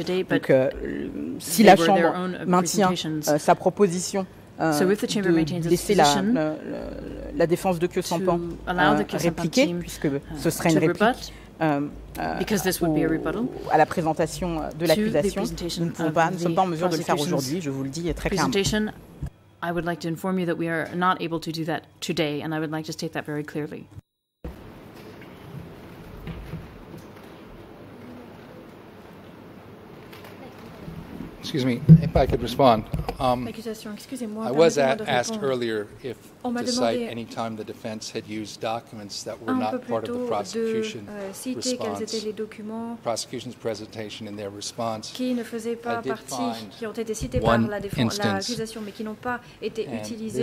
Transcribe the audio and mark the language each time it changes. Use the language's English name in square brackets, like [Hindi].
[French] Donc, si la Chambre maintient sa proposition de laisser la défense de Cossampan répliquer, puisque ce serait une réplique, à la présentation de l'accusation, nous ne pouvons pas, nous sommes pas en mesure de le faire aujourd'hui, je vous le dis très clairement. [English] I would like to inform you that we are not able to do that today, and I would like to state that very clearly. Excuse me, if I could respond. I was asked earlier if to cite any time the defense had used documents that were not part of the prosecution response, prosecution's presentation in their response. [French] Qui ne faisait pas partie, qui ont été cités par la défense, l'accusation, mais qui n'ont pas été utilisés.